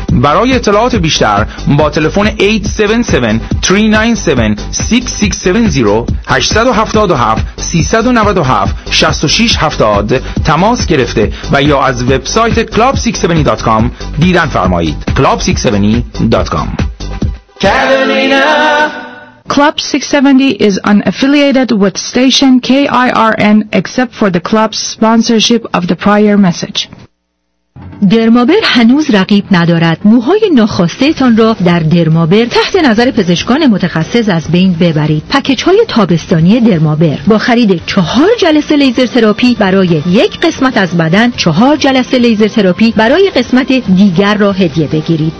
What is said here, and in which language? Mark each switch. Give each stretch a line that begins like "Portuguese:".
Persian: برای اطلاعات بیشتر با تلفن 877-397-6670 877-397-6670 تماس گرفته و یا از وبسایت club670.com دیدن فرمایید.
English: club670.com Catalina. Club 670 is unaffiliated with station KIRN except for the club's sponsorship of the prior message.
Persian: درمابر هنوز رقیب ندارد. موهای ناخواسته تان را در درمابر تحت نظر پزشکان متخصص از بین ببرید. پکیج های تابستانی درمابر با خرید 4 جلسه لیزر تراپی برای یک قسمت از بدن، 4 جلسه لیزر تراپی برای قسمت دیگر را هدیه بگیرید.